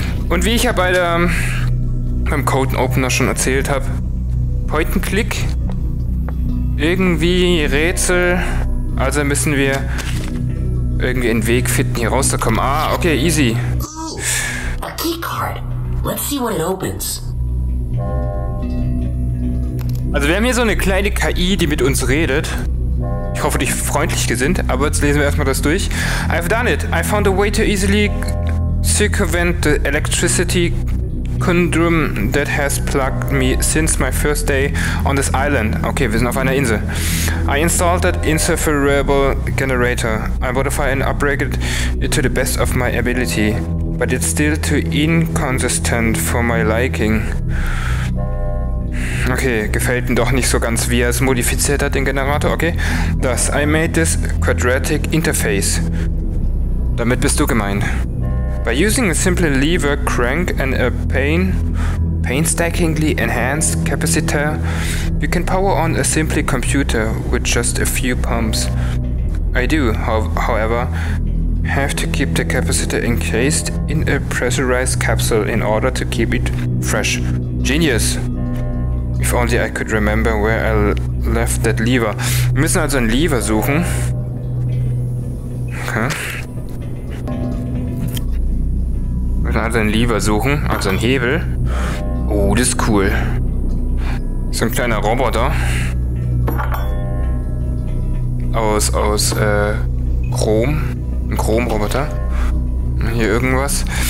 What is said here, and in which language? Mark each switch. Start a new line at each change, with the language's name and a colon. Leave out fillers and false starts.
German: Und wie ich ja beim Code Opener schon erzählt habe, Point and Click, irgendwie Rätsel, also müssen wir irgendwie einen Weg finden, hier rauszukommen. Ah, okay, easy.
English: Ooh, a key card. Let's see what it opens.
German: Also wir haben hier so eine kleine KI, die mit uns redet. Ich hoffe, dich freundlich gesinnt, aber jetzt lesen wir erstmal das durch.
English: I've done it. I found a way to easily circumvent the electricity conundrum that has plagued me since my first day on this island.
German: Okay, wir sind auf einer Insel.
English: I installed that insufferable generator. I modified and upgraded it to the best of my ability, but it's still too inconsistent for my liking.
German: Okay, gefällt mir doch nicht so ganz, wie er es modifiziert hat, den Generator, okay.
English: Das, I made this quadratic interface.
German: Damit bist du gemeint.
English: By using a simple lever crank and a painstakingly enhanced capacitor, you can power on a simple computer with just a few pumps. I do, however, have to keep the capacitor encased in a pressurized capsule in order to keep it fresh. Genius! If only I could remember where I left that lever.
German: Wir müssen also einen Lever suchen. Okay. Wir müssen also einen Lever suchen, also einen Hebel. Oh, das ist cool. So ein kleiner Roboter. Aus Chrom. Ein Chrom-Roboter. Hier irgendwas.